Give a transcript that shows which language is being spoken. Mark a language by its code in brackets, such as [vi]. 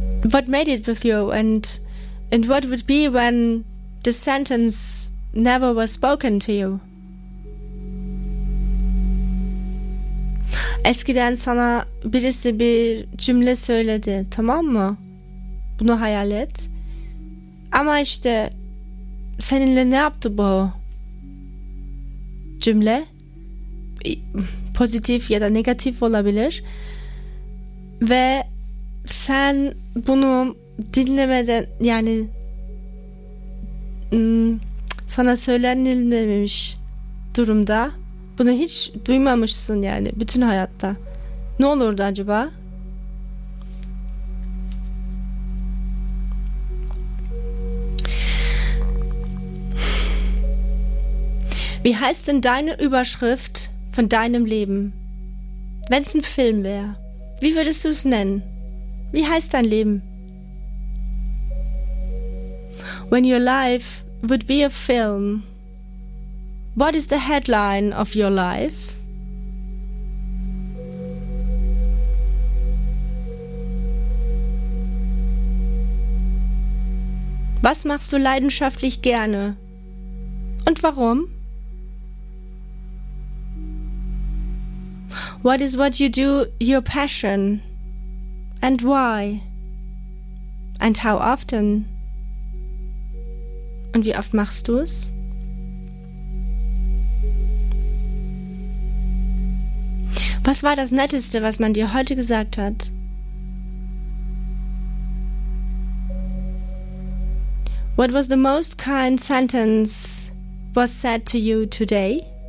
[en] what made it with you, and what would be when the sentence never was spoken to you? [tr] Eskiden sana birisi bir cümle söyledi, tamam mı? Bunu hayal et. Ama işte seninle ne yaptı bu cümle? Pozitif ya da negatif olabilir. Ve sen bunu dinlemeden, yani sana söylenilmemiş durumda bunu hiç duymamışsın, yani bütün hayatta. Ne olurdu acaba? [de] Wie heißt denn deine Überschrift von deinem Leben? Wenn es ein Film wäre, wie würdest du es nennen? Wie heißt dein Leben? [en] When your life would be a film, what is the headline of your life? [de] Was machst du leidenschaftlich gerne? Und warum? [en] What is what you do your passion? And why? And how often? [de] Und wie oft machst du es? Was war das Netteste, was man dir heute gesagt hat? [en] What was the most kind sentence was said to you today?